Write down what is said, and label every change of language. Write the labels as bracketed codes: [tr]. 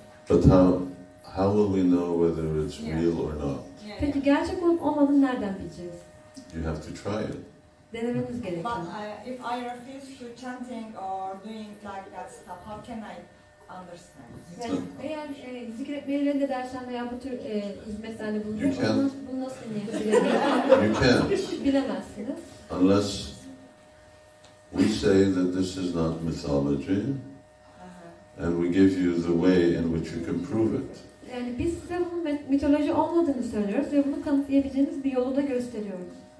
[en] But how will we know whether it's real or not? [tr] Peki gerçek olup olmadığını nereden bileceğiz? [en] You have to try it. [tr] Denememiz gerekiyor. [en] But if I refuse to chanting or doing like that stuff, how can I understand? [tr] Yani eğer zikretmeyi reddedersen veya bu tür hizmetlerde bulunursan, bunu nasıl deneyebilirsin? [en] You can't. [tr] Bilemezsiniz. [en] Unless we say that this is not mythology, and we give you the way in which you can prove it. [tr] Yani biz size bunun mitoloji olmadığını söylüyoruz ve bunu kanıtlayabileceğiniz bir yolu da gösteriyoruz.